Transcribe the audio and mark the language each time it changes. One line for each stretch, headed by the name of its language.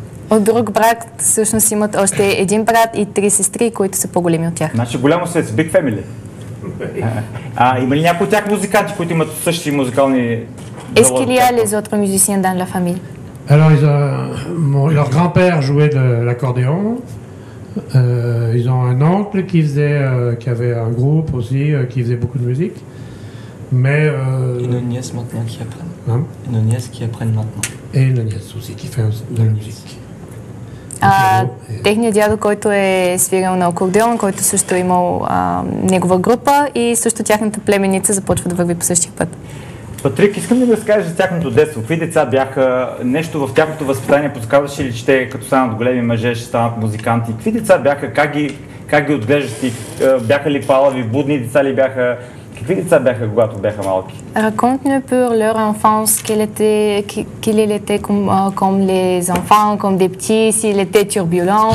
Bulgarian: От друг брак всъщност имат още един брат и три сестри, които са по-големи от тях. Значи голямо се с
English: Big Family.
Bulgarian: Има ли някои от тях музиканти, които имат същи музикални...
French: Est-ce qu'il y a les autres musiciens dans la famille? Alors, leur grand-père jouait de l'accordéon. Ils ont un oncle qui avait un groupe aussi, qui faisait beaucoup de musique. Mais... Une nièce maintenant qui apprennent. Une nièce qui apprennent maintenant. Et une nièce aussi qui fait de la musique.
Bulgarian: Техният дядо, който е свирил на акордеон, който също е имал негова група и също тяхната племенница започва да върви по същия път. Патрик, искам ли да скажеш за тяхното детство? Какви деца бяха? Нещо в тяхното възпитание подсказваше ли, че те като станат големи мъже, ще станат музиканти? Какви деца бяха? Как ги отглеждаш ти? Бяха ли палави, будни деца ли бяха? Какви деца бяха, когато бяха малки?
French: Raconte-nous pour leur enfance, qu'il était comme les enfants, comme des petits, s'il était turbulent.